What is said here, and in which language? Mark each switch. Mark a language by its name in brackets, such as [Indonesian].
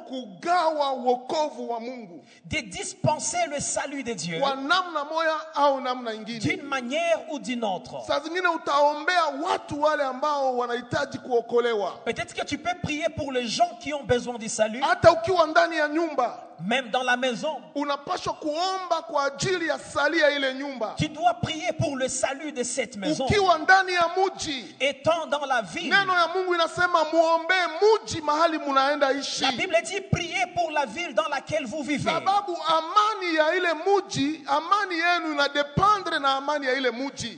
[Swahili] Kugawa wokovu wa Mungu. [French] De dispenser le salut de Dieu. [Swahili] Kwa namna moja au namna nyingine. [French] D'une manière ou d'une autre. [Swahili] Saa zingine utaombea watu wale ambao wanahitaji kuokolewa. [French] Peut-être que tu peux prier pour les gens qui ont besoin du salut. [Swahili] Hata ukiwa ndani ya nyumba. [French] Même dans la maison, [Swahili] unapaswa kuomba kwa ajili ya sali ya ile nyumba. [French] Tu dois prier pour le salut de cette maison. [Swahili] Ukiwa ndani ya mji, [French] étant dans la ville. [Swahili] Neno ya Mungu inasema muombe mji mahali mnaenda ishi. [French] La Bible dit prier pour la ville dans laquelle vous vivez. [Swahili] Sababu amani ya ile mji, amani yenu ina dépendre na amani ya ile mji.